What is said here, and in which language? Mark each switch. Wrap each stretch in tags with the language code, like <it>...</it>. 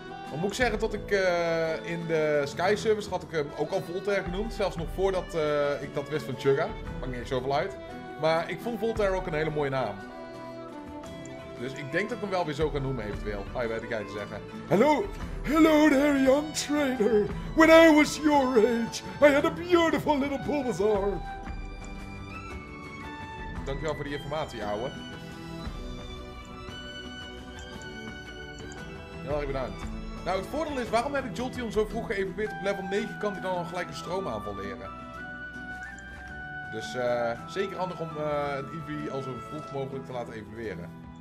<nl>Dan moet ik zeggen dat ik in de Sky Service had ik hem ook al Voltaire genoemd. Zelfs nog voordat ik dat wist van Chugga. Maakt niet zoveel uit. Maar ik vond Voltaire ook een hele mooie naam. Dus ik denk dat ik hem wel weer zo kan noemen eventueel. Ga je bij de kijkers zeggen.</nl> <en>Hello, hello there young trainer. When I was your age, I had a beautiful little Bulbasaur.</en> <nl>Dankjewel voor die informatie, ouwe. Heel erg bedankt. Nou, het voordeel is, waarom heb ik Jolteon zo vroeg geëvalueerd op level 9? Kan hij dan al gelijk een stroomaanval leren? Dus zeker handig om een Eevee al zo vroeg mogelijk te laten evalueren.</nl>